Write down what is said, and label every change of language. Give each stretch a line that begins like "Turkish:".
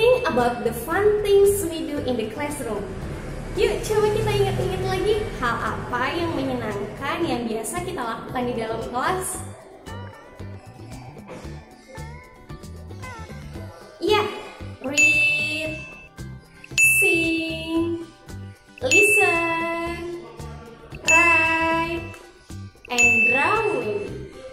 English: About the fun things we do in the classroom.
Indonesian: Yuk, coba kita ingat-ingat lagi hal apa yang menyenangkan yang biasa kita lakukan di dalam kelas.
English: Yeah, read, sing, listen, write, and drawing.